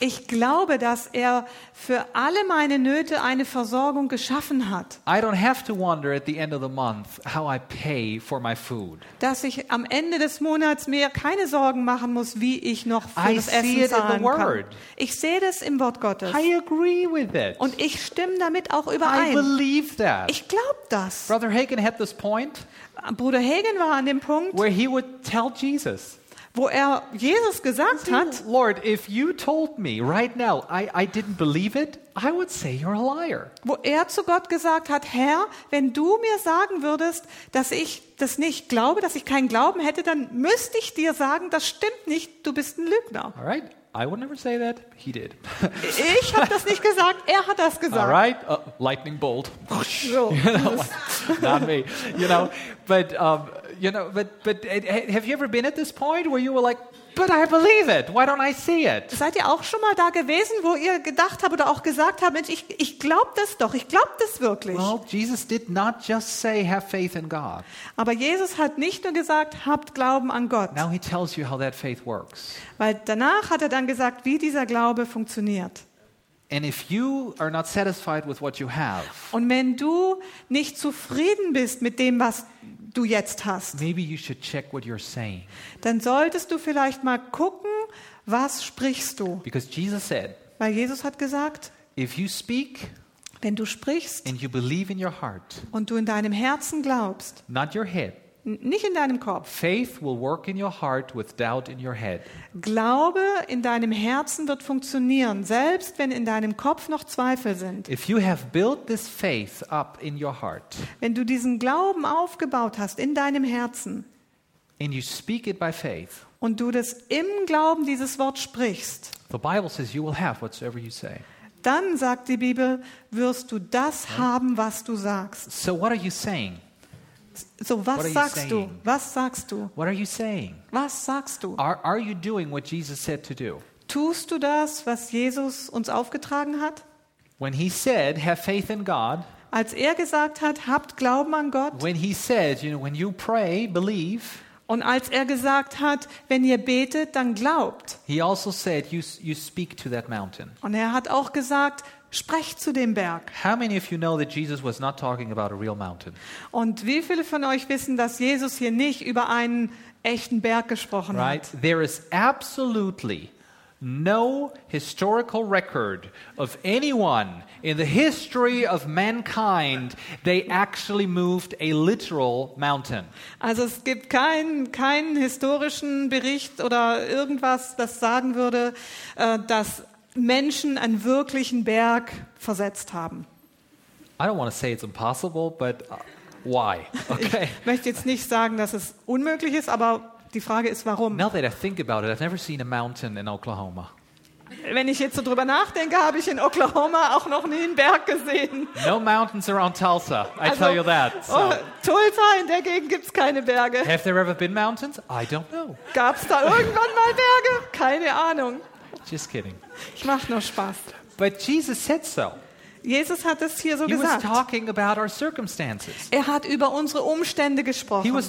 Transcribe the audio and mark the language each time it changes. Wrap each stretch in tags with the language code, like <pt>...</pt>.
<de>Ich glaube, dass er für alle meine Nöte eine Versorgung geschaffen hat.</de> <en>I don't have to wonder at the end of the month how I pay for my food.</en> <de>Dass ich am Ende des Monats mir keine Sorgen machen muss, wie ich noch für das Essen zahlen kann.</de> <en>I see it in the Word.</en> <de>Ich sehe das im Wort Gottes.</de> <en>I agree with it.</en> <de>Und ich stimme damit auch überein.</de> <en>I believe that.</en> <de>Ich glaube das.</de> <en>Brother Hagen had this point.</en> <de>Bruder Hagen war an dem Punkt,</de> <en>where he would tell Jesus,</en> <de>wo er Jesus gesagt hat,</de> <en>Lord, if you told me right now I didn't believe it, I would say you're a liar.</en> <de>Wo er zu Gott gesagt hat, Herr, wenn du mir sagen würdest, dass ich das nicht glaube, dass ich keinen Glauben hätte, dann müsste ich dir sagen, das stimmt nicht, du bist ein Lügner.</de> <en>All right, I would never say that, he did.</en> <de>Ich habe das nicht gesagt, er hat das gesagt.</de> <en>All right, lightning bolt. So, not me, you know, but have you ever been at this point where you were like, but I believe it. Why don't I see it?</en> <de>Seid ihr auch schon mal da gewesen, wo ihr gedacht habt oder auch gesagt habt, Mensch, ich glaube das doch. Ich glaube das wirklich.</de> <en>Well, Jesus did not just say have faith in God.</en> <de>Aber Jesus hat nicht nur gesagt, habt Glauben an Gott.</de> <en>Now he tells you how that faith works.</en> <de>Weil danach hat er dann gesagt, wie dieser Glaube funktioniert.</de> <en>And if you are not satisfied with what you have.</en> <de>Und wenn du nicht zufrieden bist mit dem, was du jetzt hast.</de> <en>Maybe you should check what you're saying.</en> <de>Dann solltest du vielleicht mal gucken, was sprichst du?</de> <en>Because Jesus said.</en> <de>Weil Jesus hat gesagt,</de> <en>if you speak,</en> <de>wenn du sprichst,</de> <en>and you believe in your heart,</en> <de>und du in deinem Herzen glaubst,</de> <en>not your head,</en> <de>nicht in deinem Kopf.</de> <en>Faith will work in your heart with doubt in your head.</en> <de>Glaube in deinem Herzen wird funktionieren, selbst wenn in deinem Kopf noch Zweifel sind.</de> <en>If you have built this faith up in your heart.</en> <de>Wenn du diesen Glauben aufgebaut hast in deinem Herzen.</de> <en>And you speak it by faith.</en> <de>Und du das im Glauben dieses Wort sprichst.</de> <en>The Bible says you will have whatsoever you say.</en> <de>Dann sagt die Bibel, wirst du das haben, was du sagst.</de> <en>So what are you saying?</en> <de>So was sagst du? Was sagst du?</de> <en>What are you saying?</en> <de>Was sagst du?</de> <en>Are you doing what Jesus said to do?</en> <de>Tust du das, was Jesus uns aufgetragen hat?</de> <en>When he said, have faith in God.</en> <de>Als er gesagt hat, habt Glauben an Gott.</de> <en>When he said, you know, when you pray, believe.</en> <de>Und als er gesagt hat, wenn ihr betet, dann glaubt.</de> <en>He also said, you speak to that mountain.</en> <de>Und er hat auch gesagt, sprecht zu dem Berg.</de> <en>How many of you know that Jesus was not talking about a real mountain?</en> <de>Und wie viele von euch wissen, dass Jesus hier nicht über einen echten Berg gesprochen hat?</de> <en>Right. There is absolutely no historical record of anyone in the history of mankind they actually moved a literal mountain.</en> <de>Also es gibt keinen historischen Bericht oder irgendwas, das sagen würde, dass Menschen einen wirklichen Berg versetzt haben.</de> <en>I don't want to say it's impossible, but why? Okay.</en> <de>Ich möchte jetzt nicht sagen, dass es unmöglich ist, aber die Frage ist, warum?</de> <en>Now that I think about it, I've never seen a mountain in Oklahoma.</en> <de>Wenn ich jetzt so drüber nachdenke, habe ich in Oklahoma auch noch nie einen Berg gesehen.</de> <en>No mountains around Tulsa, I tell you that. So.</en> <de>Tulsa, in der Gegend gibt es keine Berge.</de> <en>Have there ever been mountains? I don't know.</en> <de>Gab es da irgendwann mal Berge? Keine Ahnung.</de> <en>Just kidding.</en> <de>Ich mache nur Spaß.</de> <en>But Jesus said so.</en> <de>Jesus hat es hier so</de> <en>He</en> <de>gesagt.</de> <en>Was talking about our circumstances.</en> <de>Er hat über unsere Umstände gesprochen.</de>